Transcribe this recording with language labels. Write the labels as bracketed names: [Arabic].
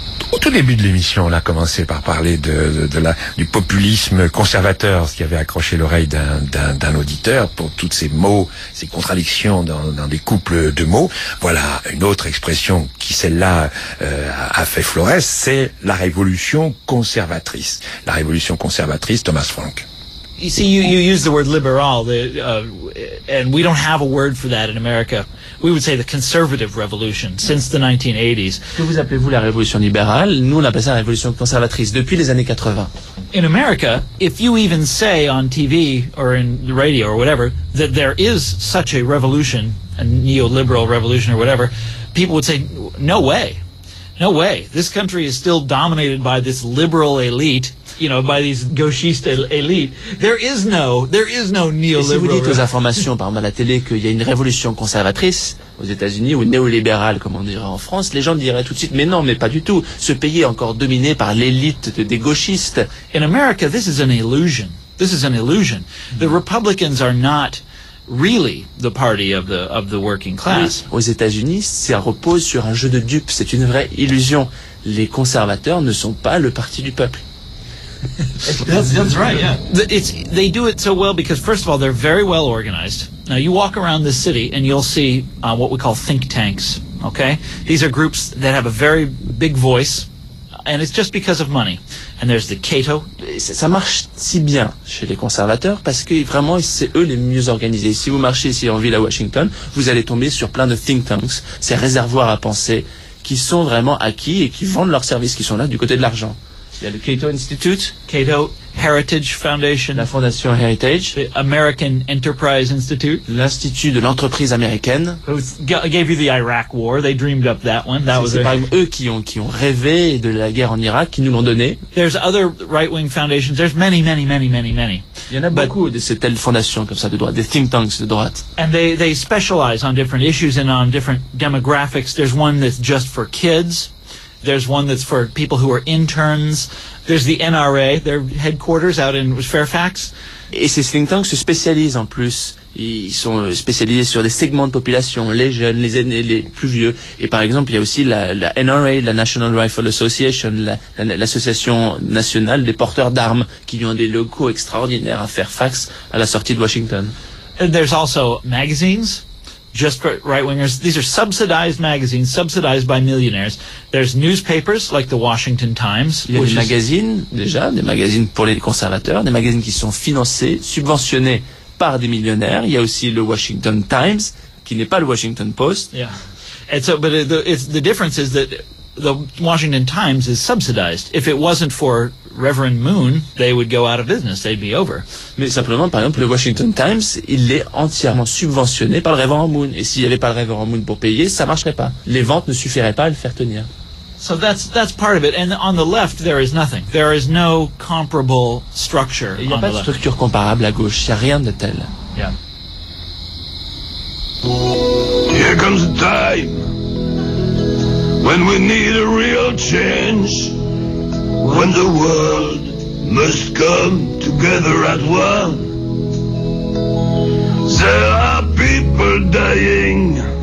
[French] Au tout début de l'émission, on a commencé par parler du populisme conservateur, ce qui avait accroché l'oreille d'un auditeur pour toutes ces mots, ces contradictions dans des couples de mots. Voilà une autre expression qui, celle-là, a fait florès, c'est la révolution conservatrice. La révolution conservatrice, Thomas Frank. [English] You see, you use the word liberal, and we don't have a word for that in America. We would say the conservative revolution since the 1980s. [French] Que vous appelez-vous la révolution libérale? Nous, on appelle ça la révolution conservatrice depuis les années 80. [English] In America, if you even say on TV or in the radio or whatever that there is such a revolution, a neoliberal revolution or whatever, people would say, no way. No way. This country is still dominated by this liberal elite, you know, by these gauchiste elite. There is no neoliberal. [French] Et si vous dites aux informations, par exemple à la télé, qu'il y a une révolution conservatrice aux États-Unis ou néolibérale, comme on dirait en France, les gens diraient tout de suite, mais non, mais pas du tout. Ce pays est encore dominé par l'élite des gauchistes. [English] In America, this is an illusion. This is an illusion. The Republicans are not really the party of the working class. [French] Oui, aux États-Unis, ça repose sur un jeu de dupes. C'est une vraie illusion. Les conservateurs ne sont pas le parti du peuple. [English] That's right, yeah. They do it so well because, first of all, they're very well organized. Now, you walk around the city and you'll see what we call think tanks, okay? These are groups that have a very big voice. And it's just because of money. And there's the Cato. [French] Ça marche si bien chez les conservateurs parce que vraiment, c'est eux les mieux organisés. Si vous marchez ici en ville à Washington, vous allez tomber sur plein de think tanks, ces réservoirs à pensée qui sont vraiment acquis et qui vendent leurs services, qui sont là du côté de l'argent. Il y a le Cato Institute. [English] Cato Heritage Foundation. [French] La Fondation Heritage. [English] The American Enterprise Institute. [French] L'Institut de l'entreprise américaine. [English] Gave you the Iraq War. They dreamed up that one. [French] Eux qui ont rêvé de la guerre en Irak, qui nous l'ont donné. [English] There's other right-wing foundations. There's many, many, many, many, many. [French] Il y en a beaucoup de ces telles fondations comme ça de droite, des think tanks de droite. [English] And they specialize on different issues and on different demographics. There's one that's just for kids. There's one that's for people who are interns. There's the NRA, their headquarters out in Fairfax. [French] Et ces think tanks se spécialisent en plus. Ils sont spécialisés sur des segments de population, les jeunes, les aînés, les plus vieux. Et par exemple, il y a aussi la NRA, la National Rifle Association, l'association nationale des porteurs d'armes, qui ont des locaux extraordinaires à Fairfax à la sortie de Washington. [English] And there's also magazines. Just right-wingers. These are subsidized magazines, subsidized by millionaires. There's newspapers like the Washington Times. [French] Il y a des magazines, déjà, des magazines pour les conservateurs, des magazines qui sont financés, subventionnés par des millionnaires. Il y a aussi le Washington Times, qui n'est pas le Washington Post. [English] Yeah. And so, but the difference is that the Washington Times is subsidized. If it wasn't for Reverend Moon, they would go out of business. They'd be over. [French] Mais simplement, par exemple, le Washington Times, il est entièrement subventionné par le Reverend Moon. Et s'il n'y avait pas le Reverend Moon pour payer, ça ne marcherait pas. Les ventes ne suffiraient pas à le faire tenir. [English] So that's part of it. And on the left, there is nothing. There is no comparable structure. [French] Il n'y a pas de structure comparable à gauche. Il n'y a rien de tel. [English] Yeah. Here comes the time when we need a real change. When the world must come together at one. There are people dying,